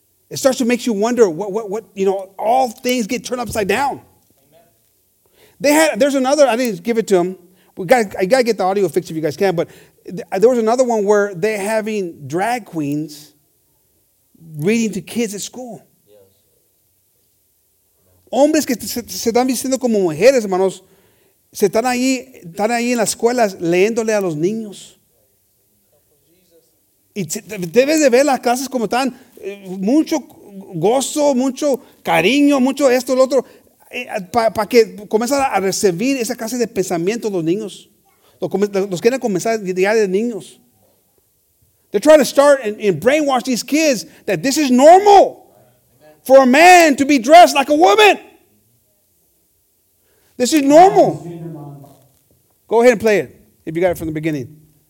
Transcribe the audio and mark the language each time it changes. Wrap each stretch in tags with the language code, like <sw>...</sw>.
<en>It starts to make you wonder what you know, all things get turned upside down. There's another, I didn't give it to them. I got to get the audio fixed if you guys can, but there was another one where they're having drag queens reading to kids at school.</en> <es>Hombres que se están vistiendo como mujeres, hermanos, se están ahí en las escuelas leyéndole a los niños. Y debes de ver las clases como están, mucho gozo, mucho cariño, mucho esto, lo otro, para que comiencen a recibir esa clase de pensamiento los niños. Los quieren comenzar ya de niños.</es> <en>They're trying to start and brainwash these kids that this is normal for a man to be dressed like a woman. This is normal. Go ahead and play it if you got it from the beginning.</en>